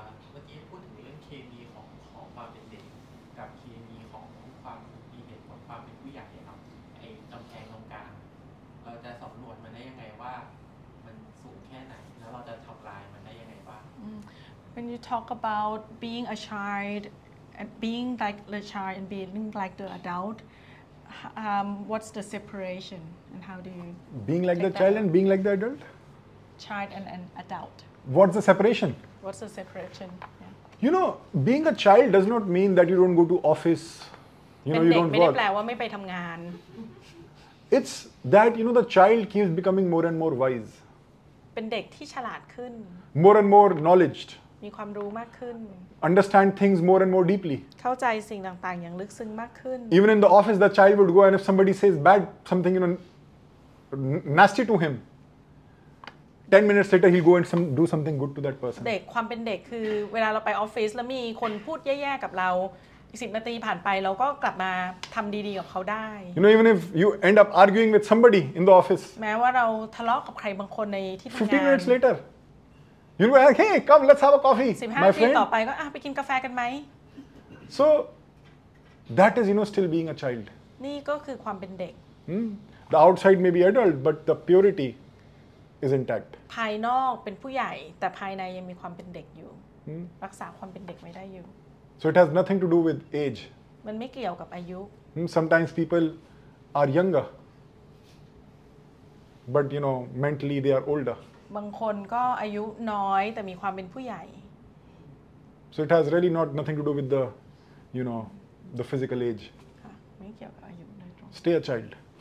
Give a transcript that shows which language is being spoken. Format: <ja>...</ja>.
<th>เมื่อกี้พูดถึงเรื่องเคมีของความเป็นเด็กกับเคมีของความมีเด็กของความเป็นผู้ใหญ่ครับไอ้กำแพงตรงกลางเราจะสำรวจมันได้ยังไงว่ามันสูงแค่ไหนแล้วเราจะทำลายมันได้ยังไงบ้าง</th> <en>When you talk about being a child and being like the child and being like the adultWhat's the separation and how do you being like the child and being like the adult? Child and an adult. What's the separation? What's the separation? Yeah. You know, being a child does not mean that you don't go to office. You know, you don't work.</en> <th>ไม่ได้แปลว่าไม่ไปทำงาน</th> <en>It's that you know the child keeps becoming more and more wise.</en> <th>เป็นเด็กที่ฉลาดขึ้น</th> <en>More and more knowledge.</en> <th>มีความรู้มากขึ้น</th> <en>Understand things more and more deeply.</en> <th>เข้าใจสิ่งต่างๆอย่างลึกซึ้งมากขึ้น</th> <en>Even in the office, the child would go and if somebody says bad something, you know, nasty to him, 10 minutes later he'll go and do something good to that person.</en> <th>เด็กความเป็นเด็กคือเวลาเราไปออฟฟิศแล้วมีคนพูดแย่ๆกับเราอีก10นาทีผ่านไปเราก็กลับมาทำดีๆกับเขาได้</th> <en>You know, even if you end up arguing with somebody in the office.</en> <th>แม้ว่าเราทะเลาะกับใครบางคนในที่ทำงาน</th> <en>15 minutes later. You know, like, hey, come, let's have a coffee, my friend. 15 minutes later, ah, we can have coffee, right? So, that is, you know, still being a child. นี่ก็คือความเป็นเด็ก The outside may be adult, but the purity. is intact</en> <th>ภายนอกเป็นผู้ใหญ่แต่ภายในยังมีความเป็นเด็กอยู่ รักษาความเป็นเด็กไว้ได้อยู่</th> <en>so it has nothing to do with age</en> <th>มันไม่เกี่ยวกับอายุ</th> <en>sometimes people are younger but you know mentally they are older</en> <th>บางคนก็อายุน้อยแต่มีความเป็นผู้ใหญ่</th> <en>so it has really nothing to do with the you know the physical age</en> <th>ไม่เกี่ยวกับอายุ โดยตรง</th> <en>stay a child</en>